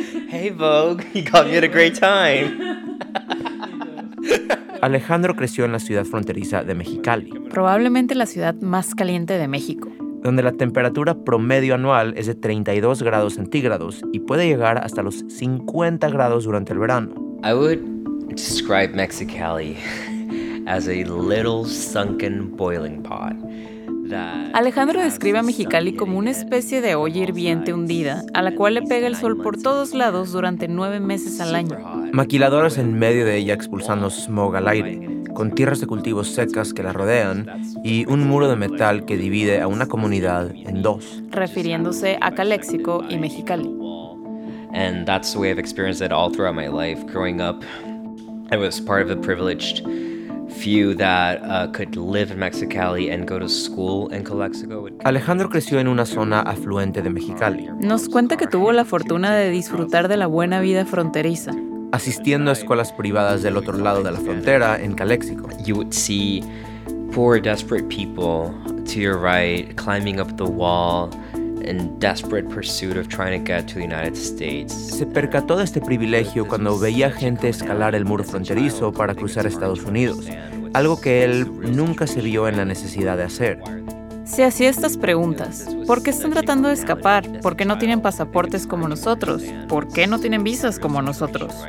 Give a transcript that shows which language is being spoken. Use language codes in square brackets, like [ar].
[en] Hey, Vogue, you got me at a great time. [es] Alejandro creció en la ciudad fronteriza de Mexicali, probablemente la ciudad más caliente de México, donde la temperatura promedio anual es de 32 grados centígrados y puede llegar hasta los 50 grados durante el verano. [en] I would describe Mexicali as a little sunken boiling pot. [es] Alejandro describe a Mexicali como una especie de olla hirviente hundida a la cual le pega el sol por todos lados durante 9 meses al año. Maquiladoras en medio de ella expulsando smog al aire, con tierras de cultivos secas que la rodean y un muro de metal que divide a una comunidad en dos. Refiriéndose a Caléxico y Mexicali. [en] And that's the way I've experienced it all throughout my life. Growing up, I was part of a privileged few that could live in Mexicali and go to school in Caléxico. [es] Alejandro creció en una zona afluente de Mexicali. Nos cuenta que tuvo la fortuna de disfrutar de la buena vida fronteriza, asistiendo a escuelas privadas del otro lado de la frontera en Caléxico. [en] You would see poor, desperate people to your right climbing up the wall in desperate pursuit of trying to get to the United States. [es] Se percató de este privilegio cuando veía gente escalar el muro fronterizo para cruzar Estados Unidos, algo que él nunca se vio en la necesidad de hacer. Se hacía estas preguntas. ¿Por qué están tratando de escapar? ¿Por qué no tienen pasaportes como nosotros? ¿Por qué no tienen visas como nosotros?